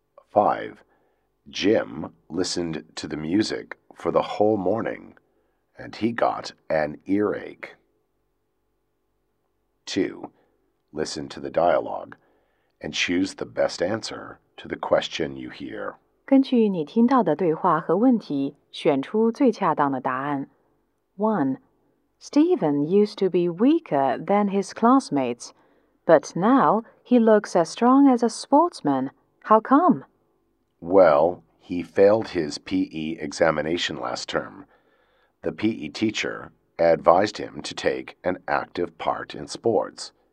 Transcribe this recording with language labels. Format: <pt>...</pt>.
<en>5. Jim listened to the music for the whole morning, and he got an earache. 2. Listen to the dialogue and choose the best answer to the question you hear.</en> <zh>根据你听到的对话和问题，选出最恰当的答案。</zh> <en>1. Stephen used to be weaker than his classmates, but now he looks as strong as a sportsman. How come? Well, he failed his PE examination last term. The PE teacher advised him to take an active part in sports.</en>